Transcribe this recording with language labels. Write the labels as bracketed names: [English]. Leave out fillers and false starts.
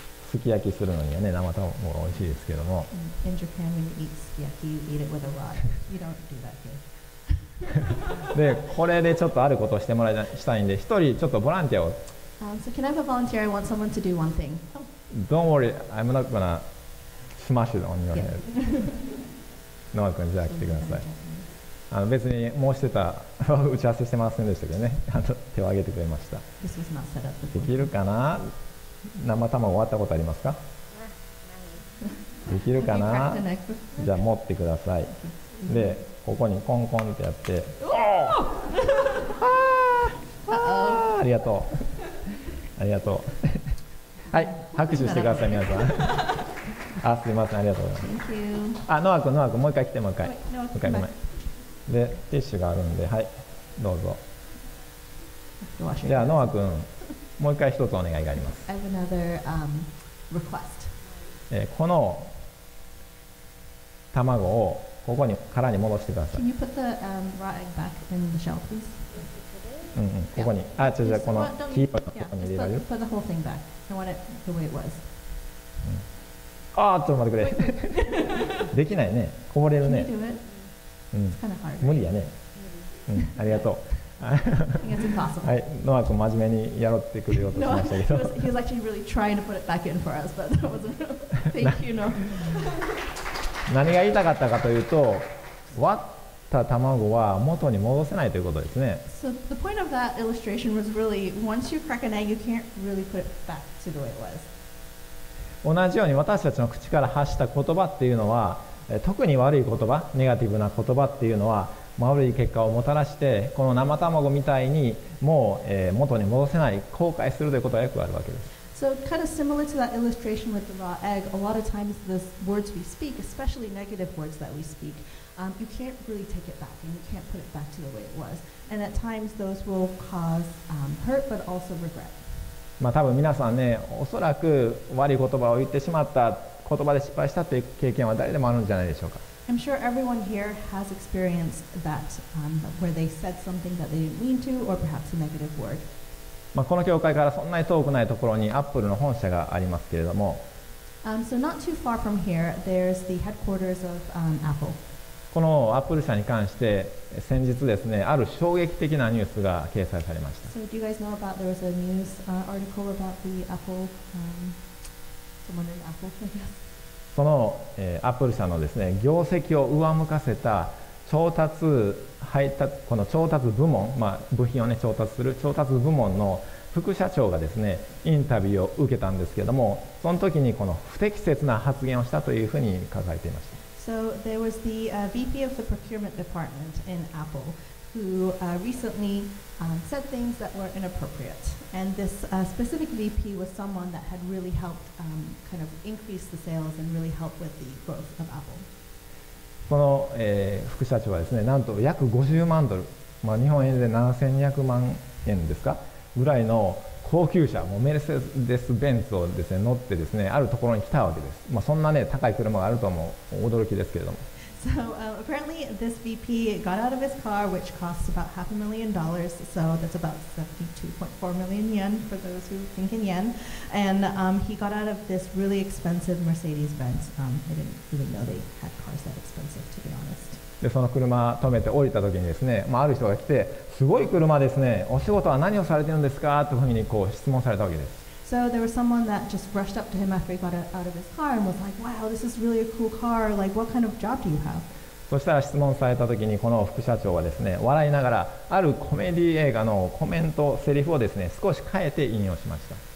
[Japanese] すき焼きするのにはね、生卵美味しいですけども。 [English] In Japan, when you eat sukiyaki, you eat it with a rod. You don't do that here. [Japanese] で、これでちょっとあることをしてもらいしたいんで、一人ちょっとボランティアを。 [English] So can I have a volunteer? I want someone to do one thing. Don't worry, I'm not gonna smash it on your head. [Japanese] ノア君、じゃあ来てください。別に申してた、打ち合わせしてませんでしたけどね、手を挙げてくれました。 [English] This was not set up. [Japanese] できるかな？生卵終わったことありますか？できるかな？じゃあ持ってください。で、ここにコンコンってやって、ありがとう。ありがとう。はい、拍手してください皆さん。あ、すみません、ありがとうございます。 [English] Thank you. [Japanese] あ、ノア君、ノア君、もう一回来て、もう一回。 [English] Wait, no, [Japanese] もう一回。で、ティッシュがあるんで、はい、どうぞ。じゃあ、ノア君、もう一回一つお願いがあります。 [English] I have another, request. [Japanese] この卵をここに殻に戻してください。 [English] Can you put the, raw egg back in the shell, please? [Japanese] ここに、 [English] yeah. [Japanese] あ、じゃあこの黄色いのここに入れられる、 [English] yeah. put the whole thing back. I want it the way it was. [Japanese] あ、ちょっと待ってくれ。できないね、こぼれるね。 [English] Can you do it? It's kind of hard. [Japanese] 無理やね、ありがとう。 [English] I think it's impossible. [Japanese] はい、ノア君真面目にやろうってくれようとしましたけど。 [English] No, he was actually really trying to put it back in for us, but that wasn't enough. Thank you, Noah. [Japanese] 何が言いたかったかというと、 [English] What? [Japanese] た卵は元に戻せないということですね。 [English] So the point of that illustration was really, once you crack an egg, you can't really put it back to the way it was. [Japanese] 同じように私たちの口から発した言葉っていうのは、特に悪い言葉、ネガティブな言葉っていうのは、悪い結果をもたらして、この生卵みたいにもう、元に戻せない、後悔するということがよくあるわけです。 [English] So kind of similar to that illustration with the raw egg, a lot of times the words we speak, especially negative words that we speak, you can't really take it back and you can't put it back to the way it was. And at times those will cause hurt but also regret. [Japanese] まあ多分皆さんね、おそらく悪い言葉を言ってしまった、言葉で失敗したという経験は誰でもあるんじゃないでしょうか。 [English] I'm sure everyone here has experienced that, where they said something that they didn't mean to or perhaps a negative word. [Japanese] まあ、この教会からそんなに遠くないところにアップルの本社がありますけれども、 [English] so not too far from here, there's the headquarters of, Apple. [Japanese] このアップル社に関して先日ですね、ある衝撃的なニュースが掲載されました。 [English] So do you guys know about there was a news, article about the Apple, someone in Apple, I guess. [Japanese] その、アップル社のですね、業績を上向かせた調達、配達、この調達部門、まあ、部品を、ね、調達する調達部門の副社長がですね、インタビューを受けたんですけれども、その時にこの不適切な発言をしたというふうに書かれていました。 [English] So there was the, VP of the procurement department in Apple who, recently, said things that were inappropriate. And this, specific VP was someone that had really helped, kind of increase the sales and really helped with the growth of Apple. [Japanese] この、副社長はですね、なんと約50万ドル、まあ、日本円で7200万円ですかぐらいの高級車、もうメルセデス・ベンツをですね、乗ってですね、あるところに来たわけです。まあ、そんなね、高い車があるとも驚きですけれども。 [English] So, apparently this VP got out of his car, which costs about half a million dollars, so that's about 72.4 million yen for those who think in yen, and, he got out of this really expensive Mercedes-Benz. I didn't really know they had cars that expensive, to be honest. [Japanese] で、その車止めて降りた時にですね、まあ、ある人が来て、すごい車ですね、お仕事は何をされてるんですかというふうにこう質問されたわけです。 [English] So there was someone that just rushed up to him after he got out of his car and was like, wow, this is really a cool car. Like, what kind of job do you have? [Japanese] そしたら質問されたときにこの副社長はですね、笑いながらあるコメディ映画のコメント、セリフをですね、少し変えて引用しました。